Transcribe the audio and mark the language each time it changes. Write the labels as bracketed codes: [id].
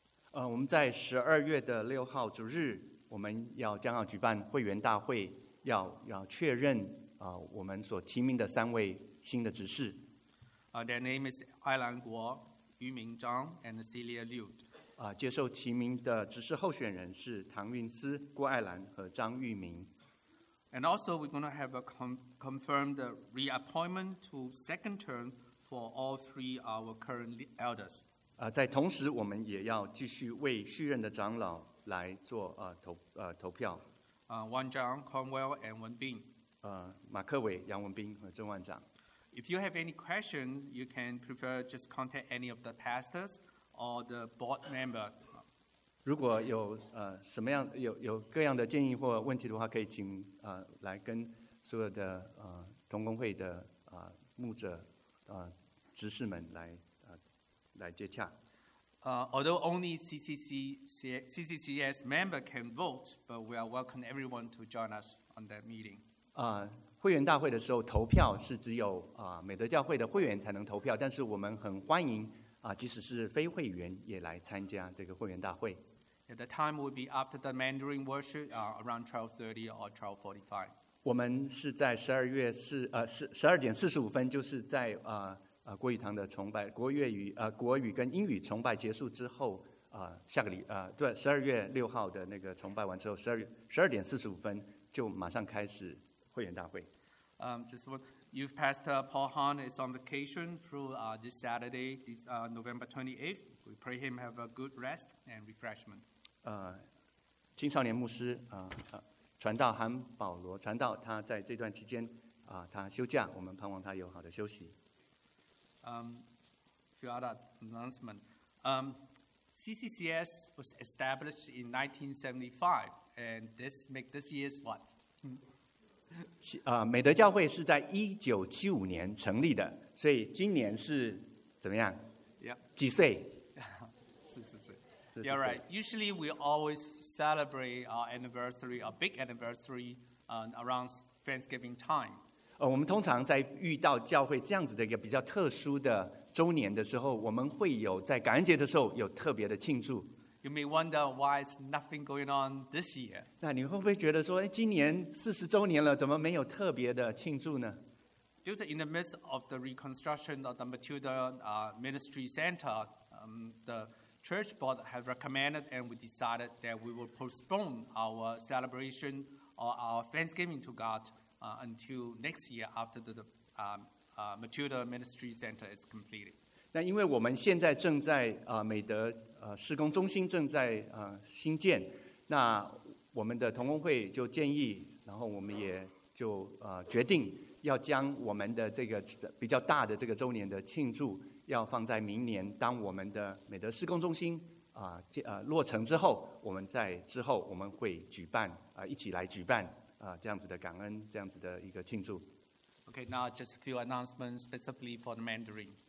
[zh] 我们在12月6号主日，我们将要举办会员大会，要确认我们所提名的三位新的执事。 [en] Their name is Ai Lan Guo, Yu Ming Zhang, and Celia Liu. [zh] 接受提名的执事候选人是唐运思、郭爱兰和张玉明。 [en] And also, we're going to have a confirmed reappointment to second term for all 3 our current elders. [zh] 在同时，我们也要继续为续任的长老来做投票。 [en] Wan Zhang, Cornwell, and Wen Bing. [zh] 马克伟、杨文斌和郑万长。 [en] If you have any question, you can prefer just contact any of the pastors or the board member. [zh] 如果有什么样有各样的建议或问题的话，可以请来跟所有的同工会的牧者执事们来接洽。 [en] Although only CCCS member can vote, but we are welcome everyone to join us on that meeting. [zh] 会员大会的时候投票是只有美德教会的会员才能投票，但是我们很欢迎即使是非会员也来参加这个会员大会。 [en] Yeah, the time will be after the Mandarin worship, around 12:30 or 12:45. [zh] 我们是在12:45，就是在国语堂的崇拜，国语跟英语崇拜结束之后，对，12月6号的那个崇拜完之后，12:45就马上开始会员大会。 [en] Just one, Youth Pastor Paul Hahn is on vacation through this Saturday, this November 28th. We pray him have a good rest and refreshment. [zh] 青少年牧师传道韩保罗传道，他在这段期间他休假，我们盼望他有好的休息。 [en] Few other announcements. CCCS was established in 1975, and this make this year's what? [zh] 美德教会是在1975年成立的，所以今年是怎么样？ [en] Yeah. [zh] 几岁？ [en] Yeah, right. Usually, we always celebrate our anniversary, a big anniversary, around Thanksgiving time. [zh] 我们通常在遇到教会这样子的一个比较特殊的周年的时候，我们会有在感恩节的时候有特别的庆祝。 [en] You may wonder why is nothing going on this year. [zh] 那你会不会觉得说，今年40周年了，怎么没有特别的庆祝呢？ [en] Due to in the midst of the reconstruction of the Matilda Ministry Center, the Church board have recommended, and we decided that we will postpone our celebration or our Thanksgiving to God until next year after the Matilda Ministry Center is completed. [zh] 那因为我们现在正在美德施工中心正在新建，那我们的同工会就建议然后我们也就决定要将我们的这个比较大的这个周年的庆祝要放在明年，当我们的美德施工中心落成之后，我们在之后我们会举办一起来举办这样子的感恩，这样子的一个庆祝。 [en] OK, now just a few announcements specifically for the Mandarin